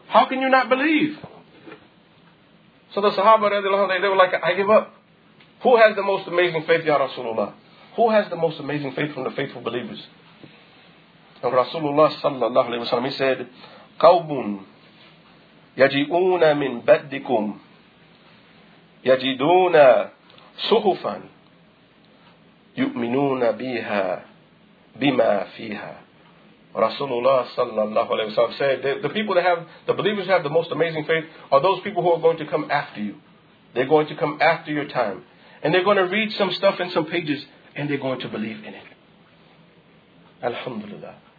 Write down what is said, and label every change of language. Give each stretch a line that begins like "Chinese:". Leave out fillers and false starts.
English: How can you not believe? So the Sahaba, they were like, I give up. Who has the most amazing faith, Ya Rasulullah? Who has the most amazing faith from the faithful believers? And Rasulullah sallallahu alayhi wa sallam, he said,
Arabic: قَوْمٌ يَجِئُونَ مِن بَدِّكُمْ يجدون صحفا يؤمنون بها بما فيها.
English: Rasulullah sallallahu alayhi wa sallam said, the people that have, the believers who have the most amazing faith are those people who are going to come after you. They're going to come after your time. And they're going to read some stuff in some pages and they're going to believe in it. Alhamdulillah.